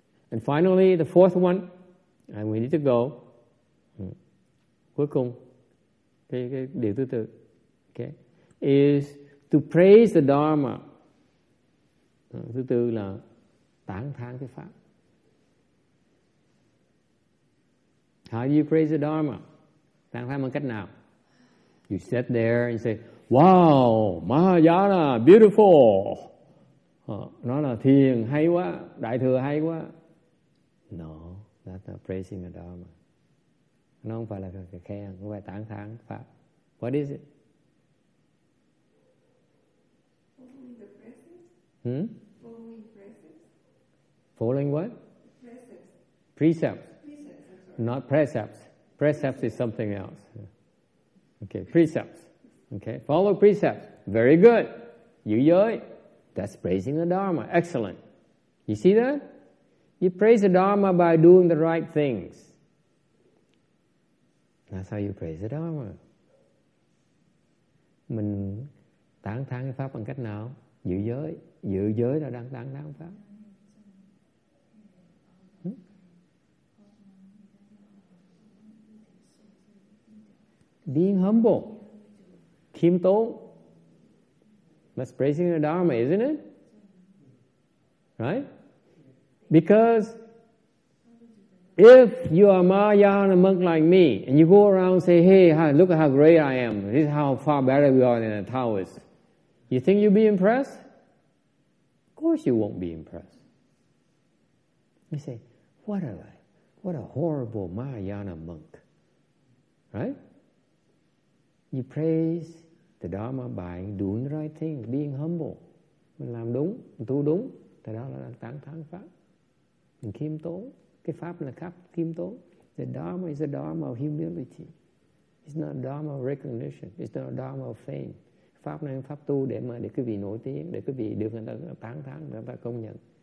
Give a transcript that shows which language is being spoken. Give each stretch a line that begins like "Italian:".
English: And finally, the fourth one, and we need to go.
Vietnamese: Cuối cùng, cái điều thứ tư, okay,
English: is to praise the Dharma.
Vietnamese: Thứ tư là tán thán cái pháp.
English: How do you praise the Dharma?
Vietnamese: Tán thán bằng cách nào?
English: You sit there and say, "Wow, Mahayana, beautiful."
Vietnamese: Nó là thiền hay quá, đại thừa hay quá.
English: No, that's not praising the Dharma.
Vietnamese: Nó không phải là cái khen, không phải tán thán pháp.
English: What is it? Following the precepts. Following what? Precepts. Not precepts. Precepts is something else. Okay, precepts. Okay, follow precepts. Very good. You yoi. That's praising the Dharma. Excellent. You see that? You praise the Dharma by doing the right things. That's how you praise the Dharma.
Vietnamese: Mình tán thán cái pháp bằng cách nào? Giữ giới. Giữ giới là đang tán thán pháp.
English: Being humble.
Vietnamese: Khiêm tốn.
English: That's praising the Dharma, isn't it? Right? Because if you are Mahayana monk like me, and you go around and say, "Hey, hi, look at how great I am. This is how far better we are than the Taoists." You think you'll be impressed? Of course you won't be impressed. You say, what a horrible Mahayana monk. Right? You praise the Dharma by doing the right thing, being humble.
Vietnamese: Mình làm đúng, mình tu đúng. Thế đó là tán thán pháp. Mình khiêm tốn. Cái pháp là pháp khiêm tốn.
English: The Dharma is a Dharma of humility. It's not a Dharma of recognition. It's not a Dharma of fame.
Vietnamese: Pháp này là pháp tu để mà để quý vị nổi tiếng, để quý vị được người ta tán thán, người ta công nhận.